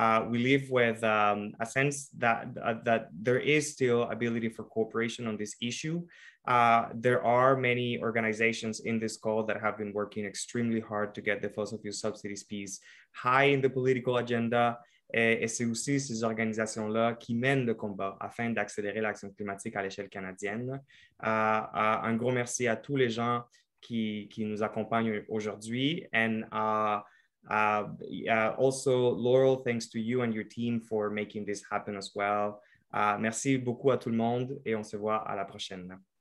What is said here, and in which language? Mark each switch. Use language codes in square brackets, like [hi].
[en] We live with a sense that that there is still ability for cooperation on this issue. There are many organizations in this call that have been working extremely hard to get the fossil fuel subsidies piece high in the political agenda. [fr] Et c'est aussi ces organisations-là qui mènent le combat afin d'accélérer l'action climatique à l'échelle canadienne. Un gros merci à tous les gens qui nous accompagnent aujourd'hui. [en] And also, Laurel, thanks to you and your team for making this happen as well. [fr] Merci beaucoup à tout le monde et on se voit à la prochaine.